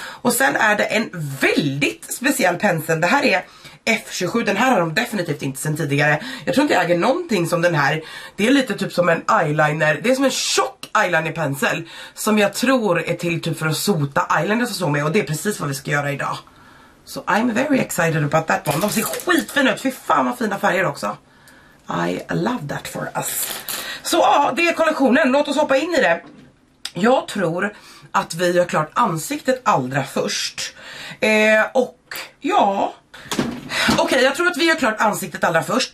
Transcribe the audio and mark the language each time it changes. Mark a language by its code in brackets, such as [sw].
[sv] Och sen är det en väldigt speciell pensel. Det här är F27, den här har de definitivt inte sen tidigare. Jag tror inte jag äger någonting som den här. Det är lite typ som en eyeliner. Det är som en tjock eyelinerpensel. Som jag tror är till typ för att sota eyeliner och så med. Och det är precis vad vi ska göra idag. [en] So I'm very excited about that one. [sv] De ser skitfina ut, fy fan vad fina färger också. [en] I love that for us. [sv] Så ja, det är kollektionen. Låt oss hoppa in i det. Jag tror att vi gör klart ansiktet allra först. Och ja. Okej, jag tror att vi gör klart ansiktet allra först.